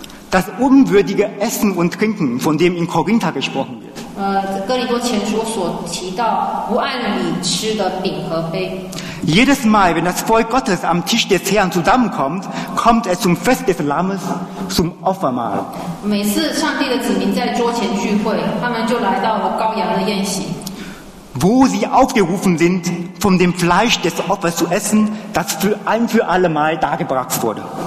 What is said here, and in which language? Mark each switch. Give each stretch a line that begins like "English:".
German: das unwürdige Essen und Trinken, von dem in Korinther gesprochen wird.
Chinese: 哥林多前书所提到不按礼吃的饼和杯。
German: Jedes Mal, wenn das Volk Gottes am Tisch des Herrn zusammenkommt, kommt es zum Fest des Lammes, zum Opfermahl.
Chinese: 每次上帝的子民在桌前聚会，他们就来到了羔羊的宴席。
German: Wo sie aufgerufen sind, von dem Fleisch des Opfers zu essen, das für ein für alle Mal dargebracht wurde.